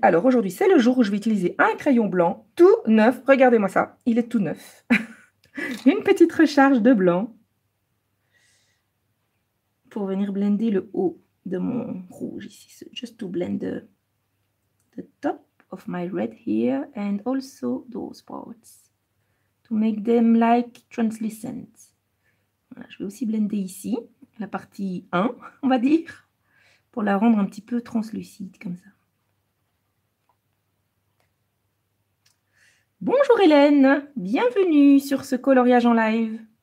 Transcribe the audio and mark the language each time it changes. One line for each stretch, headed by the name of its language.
French: Alors, aujourd'hui, c'est le jour où je vais utiliser un crayon blanc tout neuf. Regardez-moi ça, il est tout neuf. Une petite recharge de blanc pour venir blender le haut de mon rouge, ici.
English: So just to blend the top of my red here, and also those parts to make them like translucent.
French: Voilà, je vais aussi blender ici la partie 1, on va dire, pour la rendre un petit peu translucide comme ça. Bonjour Hélène, bienvenue sur ce coloriage en live.